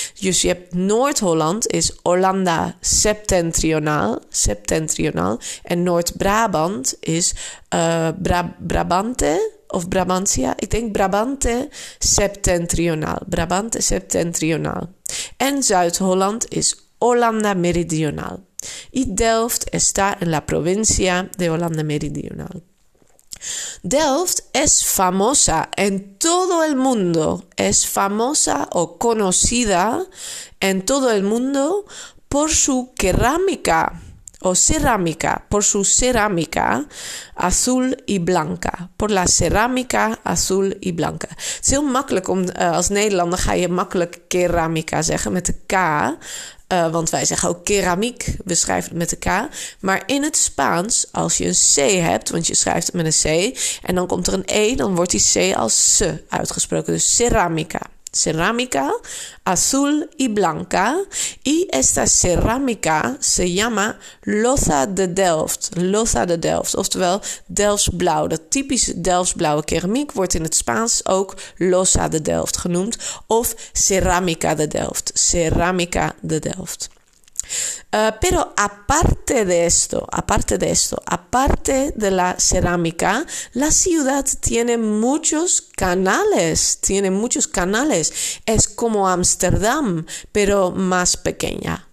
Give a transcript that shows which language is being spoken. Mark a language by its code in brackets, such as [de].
[nl] Dus je hebt Noord-Holland is Hollanda septentrionaal. En Noord-Brabant is Brabante of Brabantia. Ik denk Brabante septentrionaal. Brabante septentrionaal. En Zuid-Holland is Hollanda meridionaal. [es] Y Delft está en la provincia de Holanda Meridional. Delft es famosa en todo el mundo. Es famosa o conocida en todo el mundo por su cerámica o cerámica, por su cerámica azul y blanca. Por la cerámica azul y blanca. [nl] Het is heel makkelijk om, als Nederlander ga je makkelijk cerámica zeggen met de K. Want wij zeggen ook keramiek, we schrijven het met de K. Maar in het Spaans, als je een C hebt, want je schrijft het met een C, en dan komt er een E, dan wordt die C als S uitgesproken. Dus [es] cerámica. Cerámica, azul y blanca. Y esta cerámica se llama loza de Delft. Loza de Delft, [nl] oftewel Delfts blauw. Dat typische Delfts blauwe keramiek wordt in het Spaans ook [es] loza de Delft [nl] genoemd. [es] Of cerámica de Delft. Cerámica de Delft. Pero aparte de la cerámica, la ciudad tiene muchos canales. Tiene muchos canales. Es como Ámsterdam, pero más pequeña.